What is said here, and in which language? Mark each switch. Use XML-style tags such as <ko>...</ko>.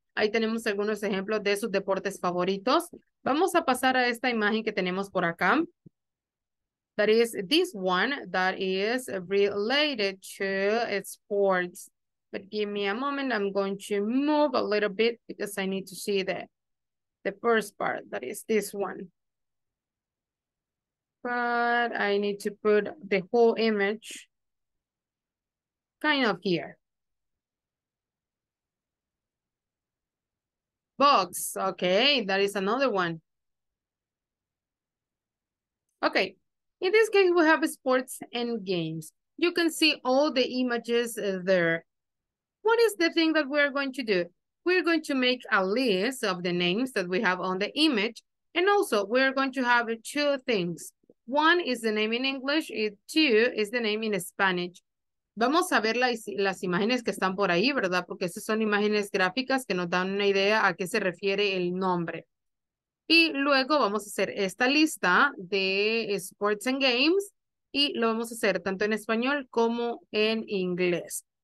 <es>Ahí tenemos algunos ejemplos de sus deportes favoritos. Vamos a pasar a esta imagen que tenemos por acá.</es> <en>That is this one that is related to sports. But give me a moment. I'm going to move a little bit because I need to see the first part. That is this one. But I need to put the whole image kind of here. Box, okay, that is another one. Okay, in this case, we have sports and games. You can see all the images there. What is the thing that we're going to do? We're going to make a list of the names that we have on the image. And also we're going to have two things. One is the name in English, two is the name in Spanish.</en> <es>Vamos a ver las imágenes que están por ahí, ¿verdad? Porque esas son imágenes gráficas que nos dan una idea a qué se refiere el nombre. Y luego vamos a hacer esta lista de sports and games y lo vamos a hacer tanto en español como en inglés.</es>